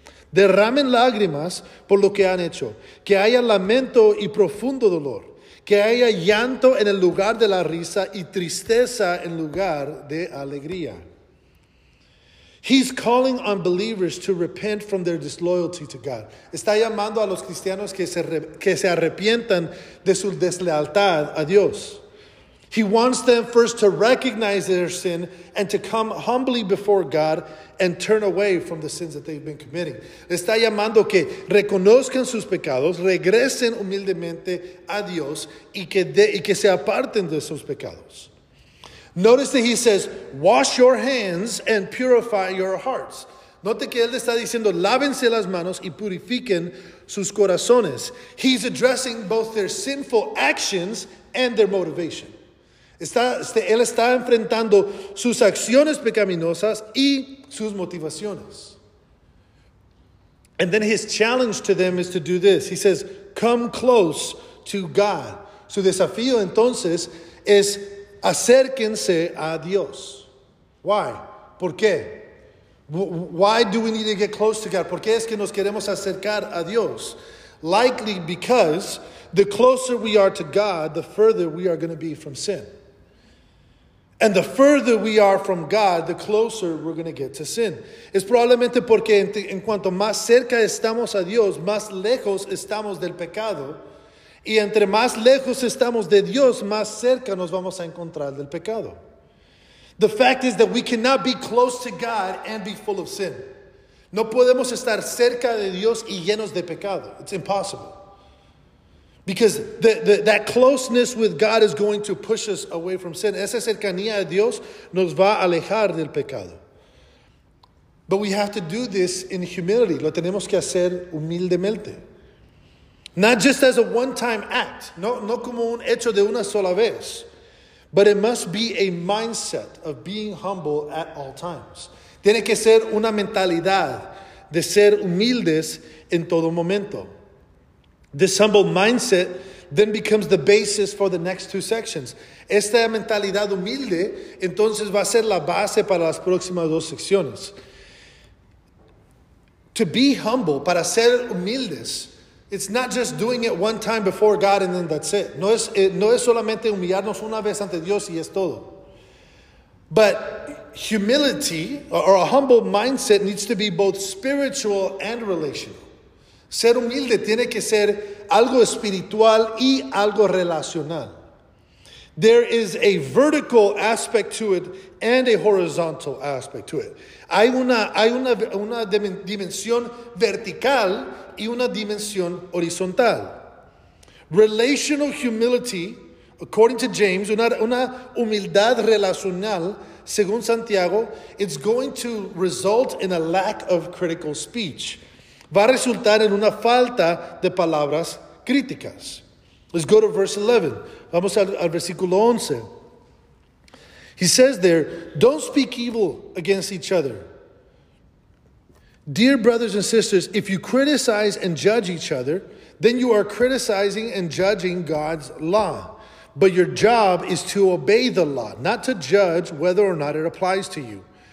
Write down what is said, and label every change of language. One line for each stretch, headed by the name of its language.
Spanish: Derramen lágrimas por lo que han hecho, que haya lamento y profundo dolor, que haya llanto en el lugar de la risa y tristeza en lugar de alegría.
English: He's calling on believers to repent from their disloyalty to God.
Spanish: Está llamando a los cristianos que se arrepientan de su deslealtad a Dios.
English: He wants them first to recognize their sin and to come humbly before God and turn away from the sins that they've been committing.
Spanish: Está llamando que reconozcan sus pecados, regresen humildemente a Dios y que se aparten de sus pecados.
English: Notice that he says, wash your hands and purify your hearts.
Spanish: Note que él está diciendo, lávense las manos y purifiquen sus corazones.
English: He's addressing both their sinful actions and their motivation.
Spanish: Él está enfrentando sus acciones pecaminosas y sus motivaciones.
English: And then his challenge to them is to do this. He says, come close to God.
Spanish: Su desafío entonces es acérquense a Dios.
English: Why?
Spanish: ¿Por qué?
English: Why do we need to get close to God?
Spanish: ¿Por qué es que nos queremos acercar a Dios?
English: Likely because the closer we are to God, the further we are going to be from sin. And the further we are from God, the closer we're going to get to sin.
Spanish: Es probablemente porque en cuanto más cerca estamos a Dios, más lejos estamos del pecado. Y entre más lejos estamos de Dios, más cerca nos vamos a encontrar del pecado.
English: The fact is that we cannot be close to God and be full of sin.
Spanish: No podemos estar cerca de Dios y llenos de pecado.
English: It's impossible. Because that closeness with God is going to push us away from sin.
Spanish: Esa cercanía a Dios nos va a alejar del pecado.
English: But we have to do this in humility.
Spanish: Lo tenemos que hacer humildemente.
English: Not just as a one-time act.
Spanish: No como un hecho de una sola vez.
English: But it must be a mindset of being humble at all times.
Spanish: Tiene que ser una mentalidad de ser humildes en todo momento.
English: This humble mindset then becomes the basis for the next two sections.
Spanish: Esta mentalidad humilde entonces va a ser la base para las próximas dos secciones.
English: To be humble,
Spanish: para ser humildes,
English: it's not just doing it one time before God and then that's it.
Spanish: No es solamente humillarnos una vez ante Dios y es todo.
English: But humility or a humble mindset needs to be both spiritual and relational.
Spanish: Ser humilde tiene que ser algo espiritual y algo relacional.
English: There is a vertical aspect to it and a horizontal aspect to it.
Spanish: Hay una dimensión vertical y una dimensión horizontal.
English: Relational humility, according to James,
Spanish: una humildad relacional, según Santiago,
English: it's going to result in a lack of critical speech.
Spanish: Va a resultar en una falta de palabras críticas.
English: Let's go to verse 11.
Spanish: Vamos al versículo 11.
English: He says there, don't speak evil against each other. Dear brothers and sisters, if you criticize and judge each other, then you are criticizing and judging God's law. But your job is to obey the law, not to judge whether or not it applies to you.